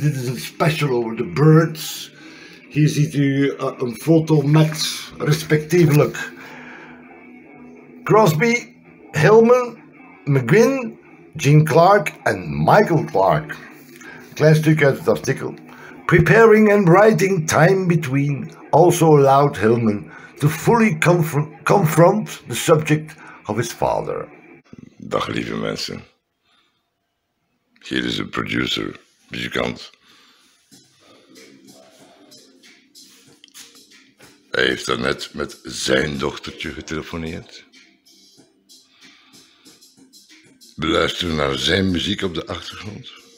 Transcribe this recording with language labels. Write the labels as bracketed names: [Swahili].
[Dutch] Dit is een special over de birds. Hier ziet u een foto met respectievelijk Crosby, Hillman, McGuinn, Gene Clark en Michael Clark. Klein stukje uit het artikel. [English] Preparing and writing time between also allowed Hillman to fully confront the subject of his father. [Dutch] Dag lieve mensen. Hier is een producer, muzikant. Hij heeft daarnet met zijn dochtertje getelefoneerd. We luisteren naar zijn muziek op de achtergrond.